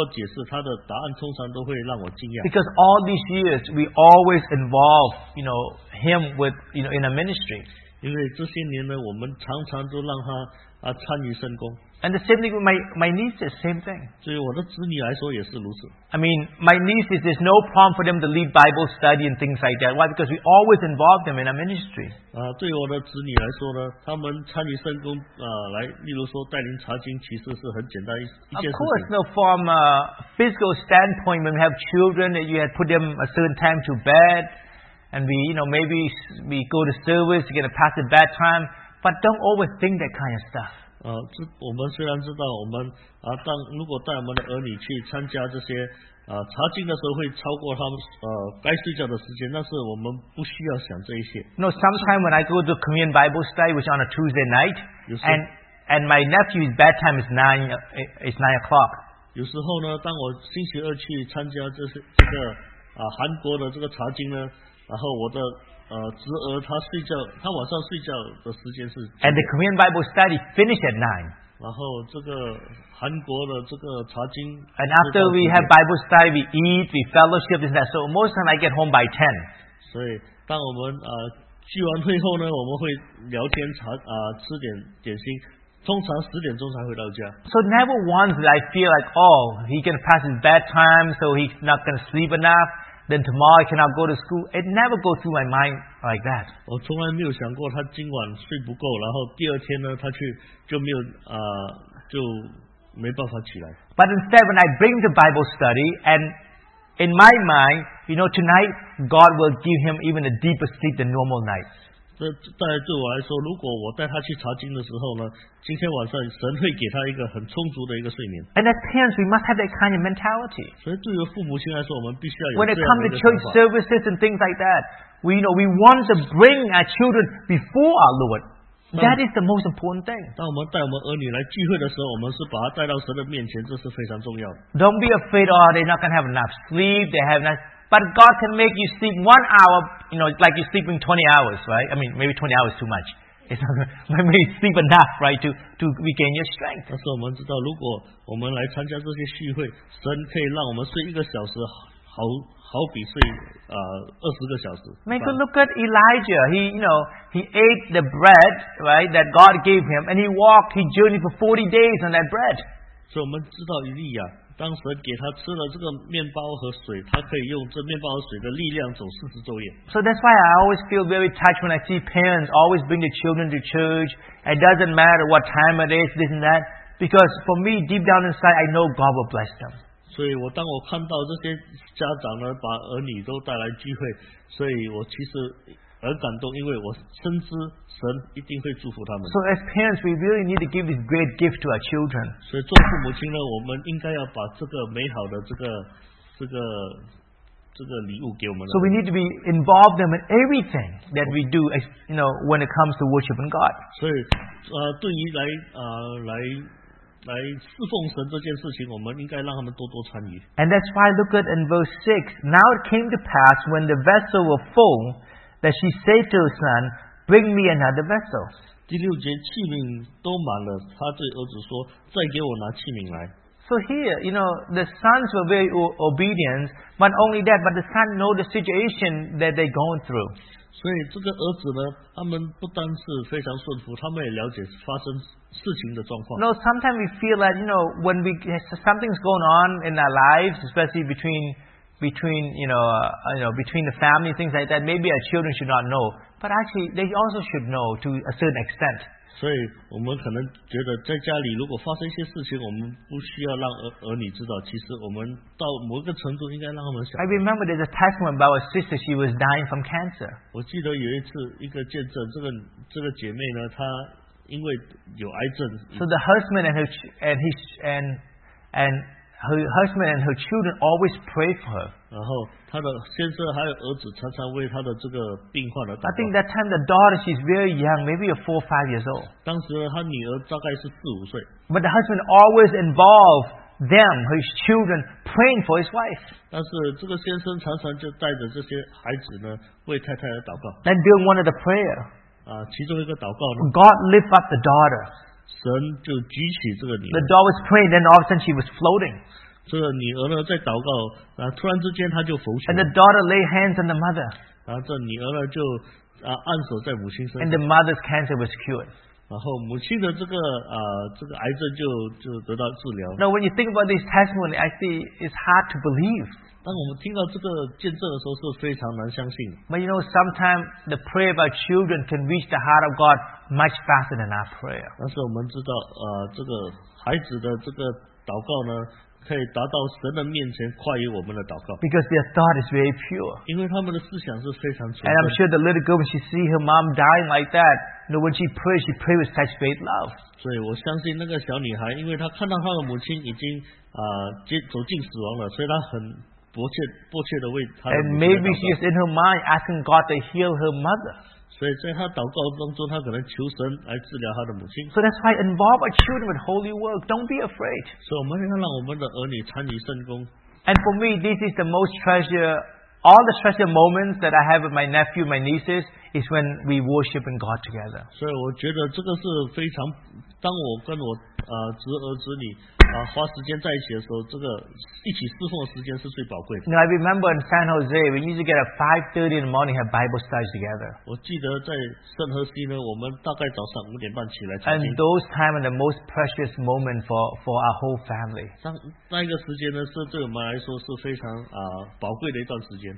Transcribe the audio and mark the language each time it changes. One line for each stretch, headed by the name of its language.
Chinese: 所以有时候我问他圣经哪一段如何解释，他的答案通常都会让我惊讶。
English: Because all these years, we always involve, you know, him with, you know, in a ministry.
Chinese: 因为这些年呢，我们常常都让他参与圣工。
English: And the same thing with my nieces, same thing.
Chinese: 对我的子女来说也是如此。
English: I mean, my nieces, there's no problem for them to lead Bible study and things like that. Why? Because we always involve them in our ministry.
Chinese: 对我的子女来说呢，他们参与圣工，例如说带领查经，其实是很简单 一件事情。
English: Of course, no, from a physical standpoint, when we have children, you have put them a certain time to bed, and we, you know, maybe we go to service to get a past the bedtime, but don't always think that kind of stuff.
Chinese: 我们虽然知道我们当如果带我们的儿女去参加这些查经的时候会超过他们该睡觉的时间，但是我们不需要想这一些。
English: No, sometimes when I go to Korean Bible study, which on a Tuesday night, and my nephew's bedtime is 9 o'clock.
Chinese: 有时候呢，当我星期二去参加这个韩国的这个茶经呢，然后我的侄儿他睡觉，他晚上睡觉的时间是。
English: And the Korean Bible study finished at 9.
Chinese: 然后这个韩国的这个茶经。
English: And after we have Bible study, we eat, we fellowship, and that. So most time I get home by 10.
Chinese: 所以当我们聚完会后呢，我们会聊天茶吃点心。通常十点钟才回到家。
English: So never once did I feel like, oh, he can pass his bedtime, so he's not going to sleep enough, then tomorrow he cannot go to school. It never goes through my mind like that.
Chinese: 我从来没有想过他今晚睡不够，然后第二天呢，他去就没有就没办法起来。
English: But instead, when I bring the Bible study, and in my mind, you know, tonight, God will give him even a deeper sleep than normal nights.
Chinese: 对我来说，如果我带他去查经的时候呢，今天晚上神会给他一个很充足的一个睡眠。
English: And as parents, we must have that kind of mentality.
Chinese: 所以对于父母亲来说，我们必须要有这样的一个想法。
English: When it comes to church services and things like that, we, you know, we want to bring our children before our Lord. That is the most important thing.
Chinese: 当我们带我们儿女来聚会的时候，我们是把他带到神的面前，这是非常重要的。
English: Don't be afraid, oh, they're not going to have enough sleep, they have not. But God can make you sleep 1 hour, you know, like you're sleeping 20 hours, right? I mean, maybe 20 hours is too much. It's not gonna, maybe sleep enough, right, to regain your strength.
Chinese: 但是我们知道，如果我们来参加这些聚会，神可以让我们睡一个小时，好比睡20个小时。
English: Make a look at Elijah. He, you know, he ate the bread, right, that God gave him, and he walked, he journeyed for 40 days on that bread.
Chinese: 所以我们知道以利亚。当时给他吃了这个面包和水，他可以用这面包和水的力量走40昼夜。
English: So that's why I always feel very touched when I see parents always bring their children to church. It doesn't matter what time it is, this and that, because for me, deep down inside, I know God will bless them.
Chinese: 所以我当我看到这些家长呢，把儿女都带来聚会，所以我其实很感动，因为我深知神一定会祝福他们。
English: So as parents, we really need to give this great gift to our children.
Chinese: 所以做父母亲呢，我们应该要把这个美好的这个礼物给我们。
English: So we need to be involved them in everything that we do, as, you know, when it comes to worshiping God.
Chinese: 所以，对于来侍奉神这件事情，我们应该让他们多多参与。
English: And that's why look at in verse 6. Now it came to pass when the vessel was full. That she said to her son, "Bring me another vessel."
Chinese: 第六节器皿都满了，他对儿子说，再给我拿器皿来。
English: So here, you know, the sons were very obedient, but not only that, but the son know the situation that they're going through.
Chinese: 所以这个儿子呢，他们不单是非常顺服，他们也了解发生事情的状况。
English: No, sometimes we feel that, you know, when we something's going on in our lives, especially between the family, things like that, maybe our children should not know. But actually, they also should know to a certain extent.
Chinese: 所以我们可能觉得在家里如果发生一些事情，我们不需要让儿女知道。其实我们到某个程度应该让他们想。
English: I remember there's a testimony about a sister. She was dying from cancer.
Chinese: 我记得有一次一个见证，这个姐妹呢，她因为有癌症。
English: So the husband and her husband and her children always pray for her.
Chinese: 然后他的先生还有儿子常常为他的这个病患而祷告。
English: I think that time the daughter she's very young, maybe 4 or 5 years old.
Chinese: 当时他女儿大概是4-5岁。
English: But the husband always involved them, his children, praying for his wife.
Chinese: 但是这个先生常常就带着这些孩子呢为太太而祷告。
English: Then during one of the prayer,
Chinese: 其中一个祷告呢
English: God lift up the daughter.
Chinese: 神就举起这个女儿。
English: The daughter was praying, then all of a sudden she was floating.
Chinese: 这个女儿呢在祷告，突然之间她就浮起来。
English: And the daughter laid hands on the mother.
Chinese: 然后这女儿呢就按手在母亲身上。
English: And the mother's cancer was cured.
Chinese: 然后母亲的这个癌症就得到治疗。
English: Now when you think about this testimony, actually it's hard to believe.
Chinese: 当我们听到这个见证的时候，是非常难相信。
English: But you know, sometimes the prayer about children can reach the heart of God. Much faster than our prayer.
Chinese: 但是我们知道，这个孩子的这个祷告呢，可以达到神的面前，快于我们的祷告。
English: Because their thought is very pure.
Chinese: 因为他们的思想是非常纯。
English: And I'm sure the little girl, when she see her mom dying like that, you know, when she pray with such great love.
Chinese: 所以我相信那个小女孩，因为她看到她的母亲已经走进死亡了，所以她很迫切的为她的母亲祷告。
English: And maybe she is in her mind asking God to heal her mother.
Chinese: 所以在他祷告当中，他可能求神来治疗他的母亲。
English: So that's why involve our children with holy work. Don't be afraid.
Chinese: 所以我们要让我们的儿女参与圣工。
English: And for me, this is the most treasure. All the treasure moments that I have with my nephew, my nieces, is when we worship in God together.
Chinese: 所以我觉得这个是非常，当我跟我侄儿侄女花时间在一起的时候，这个一起侍奉的时间是最宝贵的。
English: Now I remember in San Jose, we used to get up 5:30 in the morning have Bible studies together.
Chinese: 我记得在圣何西呢，我们大概早上五点半起来。
English: And those time are the most precious moment for our whole family.
Chinese: 那一个时间呢，是对我们来说是非常宝贵的一段时间。